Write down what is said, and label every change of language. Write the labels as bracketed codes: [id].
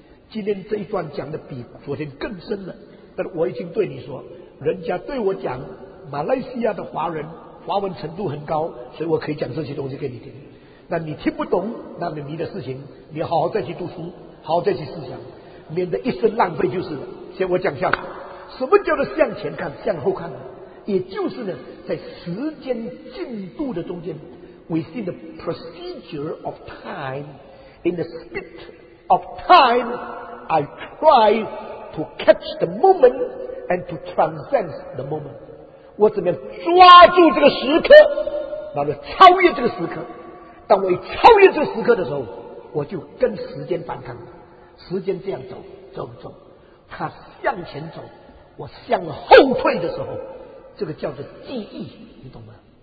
[zh] 今天这一段讲的比昨天更深了，但我已经对你说，人家对我讲马来西亚的华人华文程度很高，所以我可以讲这些东西给你听。那你听不懂，那么你的事情你好好再去读书，好好再去思想，免得一生浪费就是了。先我讲下去，什么叫做向前看向后看呢？也就是呢，在时间进度的中间， [en] within the procedure of time, in the speed of time, I try to catch the moment and to transcend the moment. [zh] 我怎么样抓住这个时刻，然后超越这个时刻。当我一超越这个时刻的时候，我就跟时间反抗。时间这样走走走，它向前走，我向后退的时候，这个叫做记忆，你懂吗？